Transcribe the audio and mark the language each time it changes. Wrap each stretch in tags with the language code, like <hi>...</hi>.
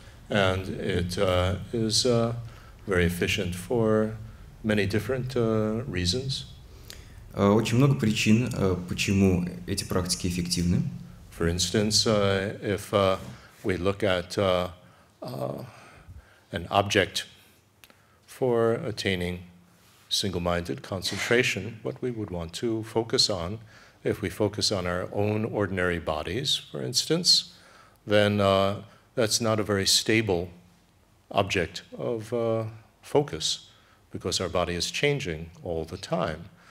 <en>And it is very efficient for many different reasons.</en> <ru>Очень много причин, почему эти практики эффективны.</ru> <en>For instance, if we look at an object for attaining single-minded concentration, what we would want to focus on, if we focus on our own ordinary bodies, for instance, then that's not a very stable object of focus, because our body is changing all the time.</en>